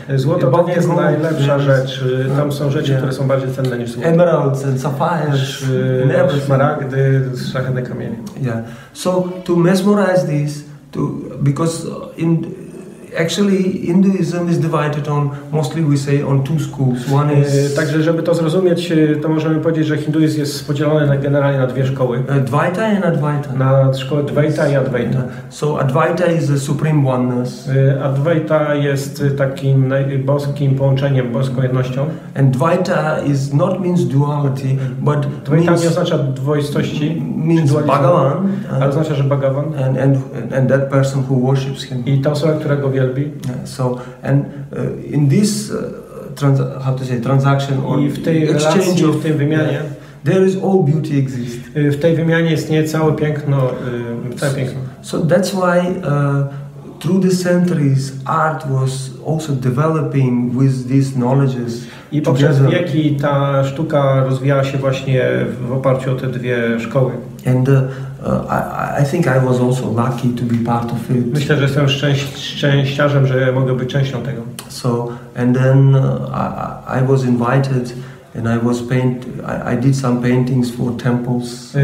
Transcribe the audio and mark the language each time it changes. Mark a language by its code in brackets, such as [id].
[pl] Złoto to nie jest najlepsza rzecz. Tam są rzeczy, które są bardziej cenne niż złoto. [en] Emeralds and sapphires, [pl] smaragdy, szlachetne kamienie. [en] Yeah. So to mesmerize this, because in actually, Hinduism is divided on, mostly we say, on two schools. One is... [pl] Także, żeby to zrozumieć, to możemy powiedzieć, że hinduizm jest podzielony na, generalnie na dwie szkoły. [en] Dvaita and Advaita. [pl] Na szkołę Dvaita i Advaita. [en] So, Advaita is the supreme oneness. [pl] Advaita jest takim boskim połączeniem, boską jednością. [en] And Dvaita is not means duality, but Dvaita means... [pl] nie oznacza dwoistości. [en] Means Bhagavan. [pl] Ale oznacza, że Bhagavan. [en] And that person who worships him. [pl] I ta osoba, która go wielbi. [en] So and in this how to say transaction or [pl] i w tej [en] exchange [pl] relacji, [en] of [pl] w tej wymianie, [en] there is all beauty exists. [pl] W tej wymianie istnieje całe piękno, całe piękno. [en] So that's why through the centuries art was also developing with these knowledges. [pl] I poprzez wieki ta sztuka rozwijała się właśnie w oparciu o te dwie szkoły. [en] And I think I was also lucky to be part of it. [pl] Myślę, że jestem szczęściarzem, że mogę być częścią tego. [en] So and then I was invited and I was I did some paintings for temples.